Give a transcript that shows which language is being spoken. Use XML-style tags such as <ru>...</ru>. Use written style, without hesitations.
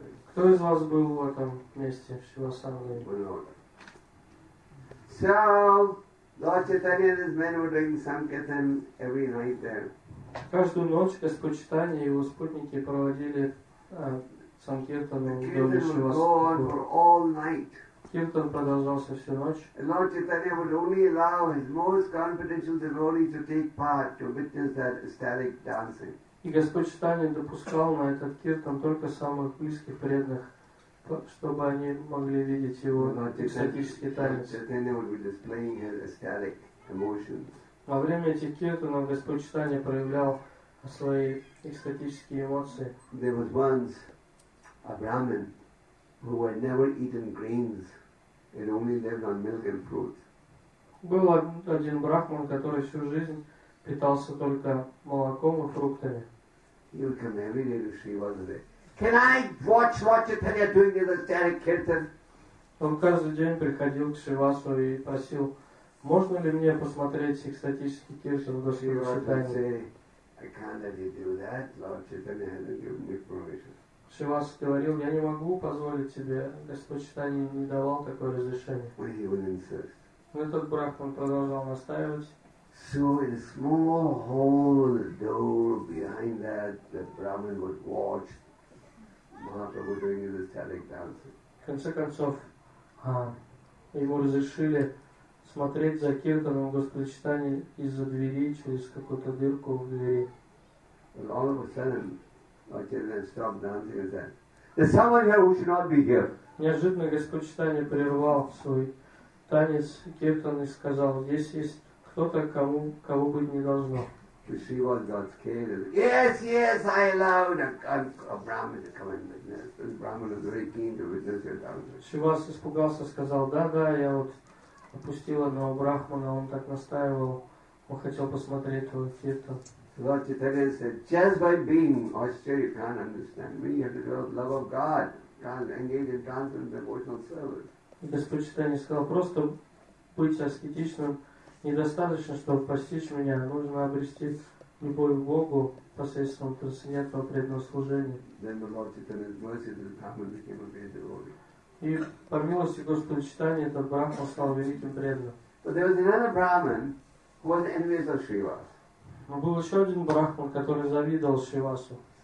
<ru>Кто из вас был в этом месте, в Шривасангаме?</ru> <en>So, Lord Chaitanya and his men were doing Sankirtan every night there.</en> <ru>Каждую ночь Господь Читания и его спутники проводили Санкиртану в доме Шривасангама. Киртан продолжался всю ночь.</ru> <en>And Lord Chaitanya would only allow his most confidential devotees to take part to witness that ecstatic dancing.</en> <ru>И Господь Читания допускал на этот киртан только самых близких преданных, чтобы они могли видеть его экстатический танец.</ru> <en>Lord Chaitanya would be displaying his ecstatic emotions.</en> <ru>Во время этих киртанов Господь Читания проявлял свои экстатические эмоции.</ru> <en>There was once a Brahmin who had never eaten grains and only lived on milk and fruits.</en> <ru>Был один брахман, который всю жизнь питался только молоком и фруктами.</ru> <en>He would come every day to Shrivasade. Can I watch Lord Chaitanya doing his ecstatic kirtan?</en> <ru>Он каждый день приходил к Шривасу и просил, можно ли мне посмотреть экстатический киртан в Господе Читании?</ru> <en>I can't let you do that. Lord Chaitanya hasn't given me permission.</en> <ru>Шивас говорил, я не могу позволить тебе, Господь Читания не давал такое разрешение. Но этот брахман продолжал настаивать.</ru> <en>So in a small hole in the door behind that, the Brahmin would watch Mahaprabhu doing his ecstatic dancing.</en> <ru>В конце концов, ему разрешили смотреть за киртаном Господа Читания из-за двери, через какую-то дырку в двери.</ru> <en>And all of a sudden, there's someone here who should not be here.</en> <ru>Неожиданно Господь Читания прервал свой танец киртан и сказал, здесь есть кто-то, кого быть не должно.</ru> <en>The Shrivas got scared. Yes, I allowed a Brahmin to come and witness. This Brahmin was very keen to witness your dancing.</en> <ru>Шривас испугался, сказал, да, я вот опустил одного брахмана, он так настаивал, он хотел посмотреть твой киртан.</ru> <en>Lord Chaitanya said, just by being austere, you can't understand me. You have to develop love of God. You can't engage in transcendental devotional service.</en> <ru>Господь Читания сказал, просто быть аскетичным недостаточно, чтобы постичь меня. Нужно обрести любовь к Богу посредством трансцендентного преданного служения.</ru> <en>Then the Lord Chaitanya's mercy to the Brahman became a great devotee.</en> <ru>И по милости Господа Читания этот брахман стал великим преданным.</ru> <en>But there was another Brahman who was envious of Shiva.</en> <ru>Но был еще один брахман, который завидовал Шривасу.</ru>